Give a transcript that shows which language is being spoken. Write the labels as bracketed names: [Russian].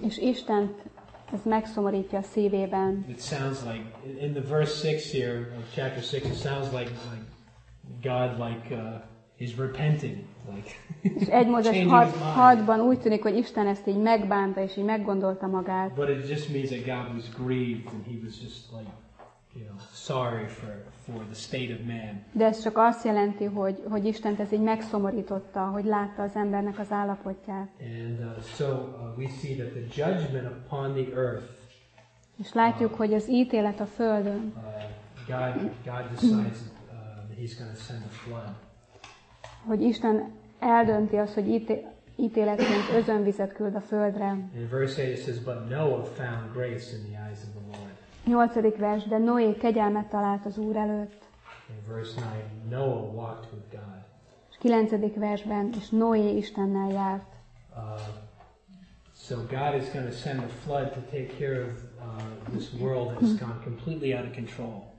[Hungarian] És Istent ez megszomorítja a szívében. [English] It sounds like in the verse 6 here of chapter 6 it sounds like God like is repenting like. [Hungarian] És egy Mózes 6-ban úgy tűnik, hogy Isten ezt így megbánta és így meggondolta magát. [English] But it just means that God was grieved and he was just like, you know, sorry for the state of man. [Hungarian] De ez csak azt jelenti, hogy Isten ez így megszomorította, hogy látta az embernek az állapotját. [English] And we see that the judgment upon the earth. [Hungarian] És látjuk, hogy az ítélet a földön. [English] God decides that he's going to send a flood. [Hungarian] Hogy Isten eldönti azt, hogy ítéletként özönvizet küld a földre. [English] In verse 8 it says, but Noah found grace in the eyes of the Lord. [Hungarian] 8. vers, de Noé kegyelmet talált az Úr előtt. [English] In verse 9, Noah walked with God. [Hungarian] 9. versben, és Noé Istennel járt. [English] So God is going to send a flood to take care of this world that has gone completely out of control.